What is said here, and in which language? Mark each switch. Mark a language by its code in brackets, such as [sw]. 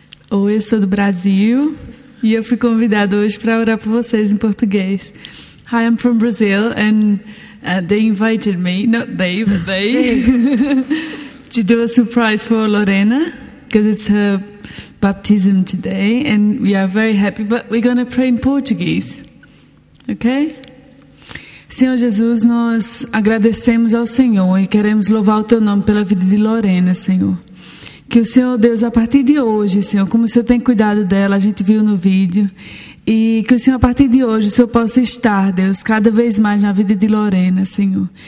[pt] Oi, eu sou do Brasil e eu fui convidada hoje para orar por vocês em português. [en] Hi, I'm from Brazil and they invited me, not they, but they, to do a surprise for Lorena because it's her baptism today, and we are very happy, but we're going to pray in Portuguese, okay? [pt] Senhor Jesus, nós agradecemos ao Senhor e queremos louvar o Teu nome pela vida de Lorena, Senhor. Que o Senhor, Deus, a partir de hoje, Senhor, como o Senhor tem cuidado dela, a gente viu no vídeo, e que o Senhor, a partir de hoje, o Senhor possa estar, Deus, cada vez mais na vida de Lorena, Senhor.